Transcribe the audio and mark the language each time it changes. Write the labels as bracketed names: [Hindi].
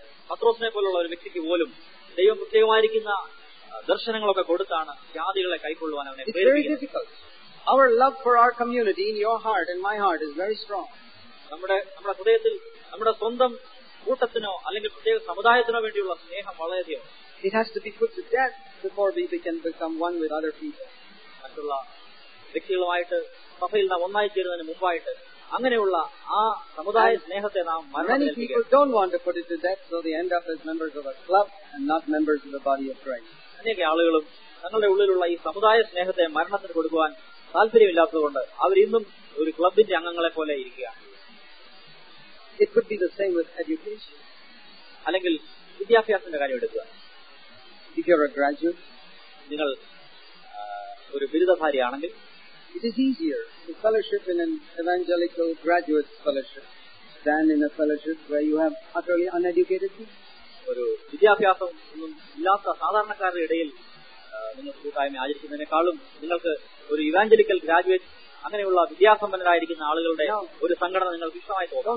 [Malayalam] പത്രോസിനെ പോലുള്ള ഒരു വ്യക്തിക്ക് പോലും ദൈവം പ്രത്യേകമായിരിക്കുന്ന ദർശനങ്ങളൊക്കെ കൊടുത്താണ് ജാതികളെ കൈക്കൊള്ളുവാൻ അവനെ പ്രേരിപ്പിക്കുന്നത്. [English] Our love for our community in your heart and my heart is very strong. [Malayalam] നമ്മുടെ ഹൃദയത്തിൽ നമ്മുടെ സ്വന്തം കൂട്ടത്തിനോ അല്ലെങ്കിൽ പ്രത്യേക സമുദായത്തിനോ വേണ്ടിയുള്ള സ്നേഹം വളരെയധികം. [English] It has to be put to death before we can become one with other people. [Malayalam] മറ്റുള്ള വ്യക്തികളുമായിട്ട് സഭയിൽ നാം ഒന്നായി ചേരുന്നതിന് മുമ്പായിട്ട് അങ്ങനെയുള്ള ആ സമുദായ സ്നേഹത്തെ നാം മരണപ്പെടുത്തുക. [English] Many people don't want to put it to death so they end up as members of a club and not members of the body of Christ. [Malayalam] അനേക ആളുകളും തങ്ങളുടെ ഉള്ളിലുള്ള ഈ സമുദായ സ്നേഹത്തെ മരണത്തിന് കൊടുക്കുവാൻ താല്പര്യമില്ലാത്തതുകൊണ്ട് അവരിന്നും ഒരു ക്ലബിന്റെ അംഗങ്ങളെ പോലെ ഇരിക്കുക. [English] It could be the same with education. [Malayalam] അല്ലെങ്കിൽ വിദ്യാഭ്യാസത്തിന്റെ കാര്യം എടുക്കുക. [English] If you're a graduate, [Malayalam] നിങ്ങൾ ഒരു ബിരുദധാരിയാണെങ്കിൽ, [English] it is easier to fellowship in an evangelical graduate fellowship than in a fellowship where you have utterly uneducated people. [Malayalam] ഒരു വിദ്യാഭ്യാസം ഒന്നും ഇല്ലാത്ത സാധാരണക്കാരുടെ ഇടയിൽ നിങ്ങൾ കൂട്ടായ്മ ആചരിക്കുന്നതിനേക്കാളും നിങ്ങൾക്ക് ഒരു ഇവാഞ്ചലിക്കൽ ഗ്രാജുവേറ്റ് അങ്ങനെയുള്ള വിദ്യാസമ്പന്നരായിരിക്കുന്ന ആളുകളുടെ ഒരു സംഘടന നിങ്ങൾക്ക് ഇഷ്ടമായി